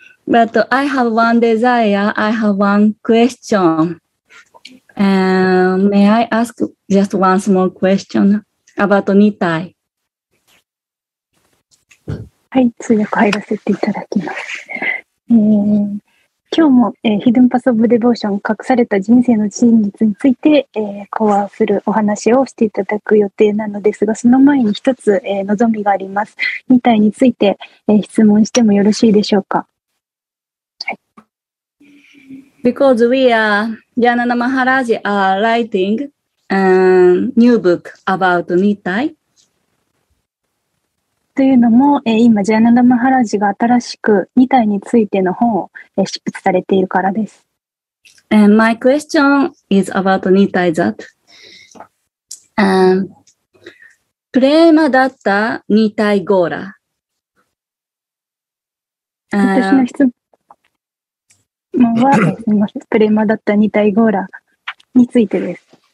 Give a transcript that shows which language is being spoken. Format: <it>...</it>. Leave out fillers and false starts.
<en>But I have one desire, I have one question. May I ask just one small question about Nittai?</en> <ja>はい、通訳入らせていただきます。今日も、Hidden Path of Devotion 隠された人生の真実について、コアするお話をしていただく予定なのですが、その前に一つ、望みがあります。ニタイについて、質問してもよろしいでしょうか。</ja> <en>はい、Because we are Jnana Maharaj are writing a new book about Nittai.</en> <ja>というのも、今ジャーナナマハラジが新しく2体についての本を執筆されているからです。</ja> <en>And my question is about Nittai that prema datta Nittai gora.</en> <ja>私の質問はすみません、プレマだった Nittai gora についてです。</ja>